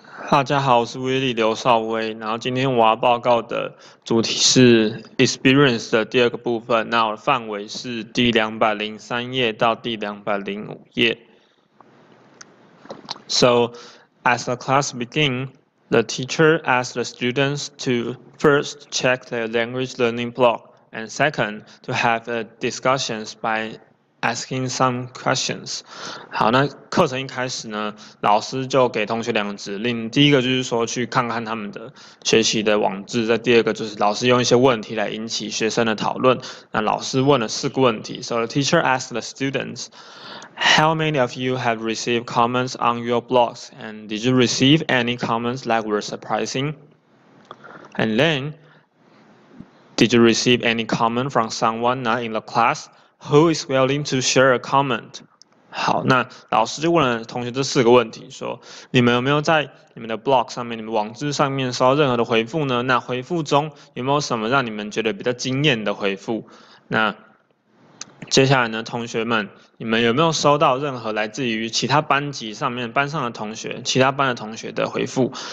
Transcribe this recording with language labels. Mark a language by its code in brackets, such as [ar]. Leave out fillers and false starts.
[zh] 大家好，我是 Willy 刘少威。然后今天我要报告的主题是 experience 的第二个部分。那我的范围是第203页到第205页。 [en] So, as the class begins, the teacher asks the students to first check their language learning blog, and second, to have a discussions by asking some questions. [zh] 好，那课程一开始呢，老师就给同学两个指令。第一个就是说去看看他们的学习的网志。再第二个就是老师用一些问题来引起学生的讨论。那老师问了四个问题。 [en] So the teacher asked the students, How many of you have received comments on your blogs? And did you receive any comments that were surprising? And then, Did you receive any comment from someone not in the class? Who is willing to share a comment? [zh] 好，那老师就问了同学这四个问题，说你们有没有在你们的 blog 上面、你们网志上面收到任何的回复呢？那回复中有没有什么让你们觉得比较惊艳的回复？那接下来呢，同学们，你们有没有收到任何来自于其他班级上面班上的同学、其他班的同学的回复？